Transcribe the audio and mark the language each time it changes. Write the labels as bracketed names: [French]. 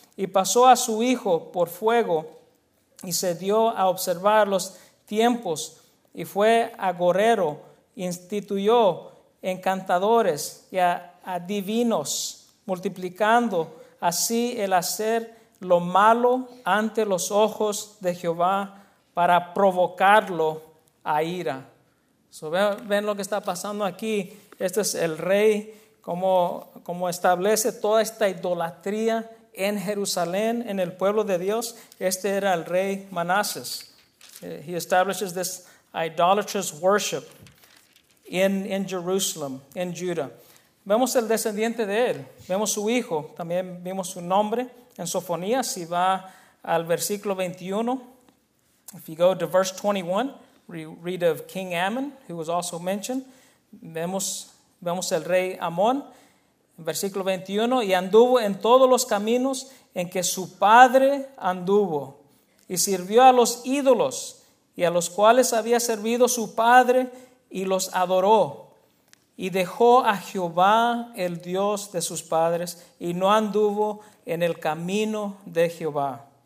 [Spanish] Y pasó a su hijo por fuego, y se dio a observar los tiempos, y fue agorero, instituyó encantadores y adivinos, multiplicando así el hacer lo malo ante los ojos de Jehová para provocarlo a ira. So, ven lo que está pasando aquí. Este es el rey, como establece toda esta idolatría en Jerusalén, en el pueblo de Dios. Este era el rey Manasés. [English] He establishes this idolatrous worship in Jerusalem, in Judah. [Spanish] Vemos el descendiente de él, vemos su hijo, también vimos su nombre en Sofonías. Si va al versículo 21, [English] if you go to verse 21, we read of King Ammon, who was also mentioned. [Spanish] Vemos el rey Amón. Versículo 21, y anduvo en todos los caminos en que su padre anduvo, y sirvió a los ídolos y a los cuales había servido su padre, y los adoró, y dejó a Jehová, el Dios de sus padres, y no anduvo en el camino de Jehová.